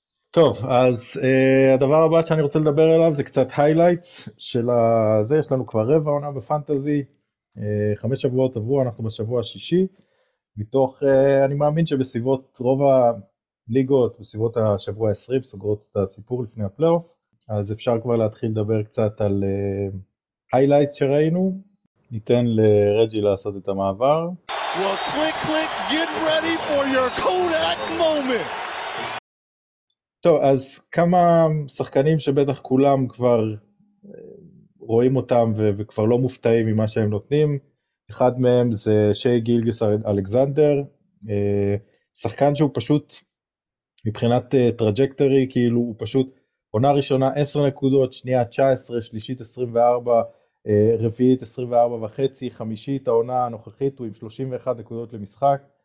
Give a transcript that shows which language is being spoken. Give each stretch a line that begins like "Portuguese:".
Hebrew: טוב, אז הדבר הבא שאני רוצה לדבר עליו זה קצת highlights של זה, יש לנו כבר רבע עונה בפנטזי, 5 שבועות עברו, אנחנו בשבוע השישי, מתוך, אני מאמין שבסביבות רוב הליגות, בסביבות השבוע ה-20, סוגרות את הסיפור לפני הפלייאוף, אז אפשר כבר להתחיל לדבר קצת על highlights שראינו, ניתן לרג'י לעשות את המעבר.
English: Well, click, click, get ready for your Kodak moment.
Hebrew: טוב, אז כמה שחקנים שבטח כולם כבר רואים אותם וכבר לא מופתעים ממה שהם נותנים. אחד מהם זה שי גילגס אלכסנדר, שחקן שהוא פשוט מבחינת טראג'קטורי, כאילו הוא פשוט עונה ראשונה 10 נקודות, שנייה 19, שלישית 24, רביעית 24 וחצי, חמישית העונה הנוכחית הוא עם 31 נקודות למשחק.